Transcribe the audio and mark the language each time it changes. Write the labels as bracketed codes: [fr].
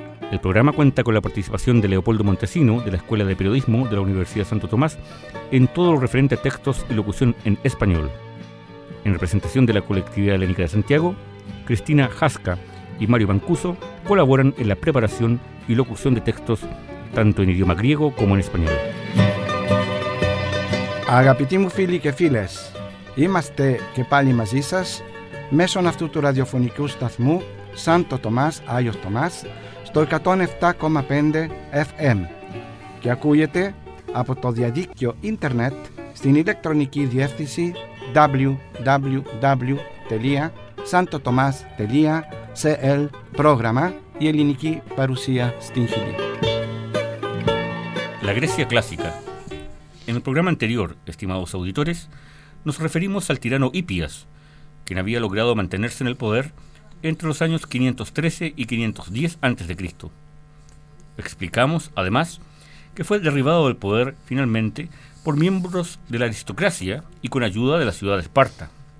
[es] El programa cuenta con la participación de Leopoldo Montesino, de la Escuela de Periodismo de la Universidad Santo Tomás, en todo lo referente a textos y locución en español. En representación de la Colectividad Helénica de Santiago, Cristina Jasca y Mario Mancuso colaboran en la preparación y locución de textos, tanto en idioma griego como en español. [el] Αγαπητοί φίλοι και φίλες, είμαστε και πάλι μαζί σας μέσω αυτού του ραδιοφωνικού σταθμού Σάντο Τομάς, Άγιος Τομάς, στο 107,5 FM και ακούγεται από το διαδίκτυο ίντερνετ στην ηλεκτρονική διεύθυνση www.santotomas.cl πρόγραμμα η ελληνική παρουσία στην Χιλή. [es] La Grecia clásica. En el programa anterior, estimados auditores, nos referimos al tirano Hipias, quien había logrado mantenerse en el poder entre los años 513 y 510 a.C. Explicamos, además, que fue derribado del poder finalmente por miembros de la aristocracia y con ayuda de la ciudad de Esparta.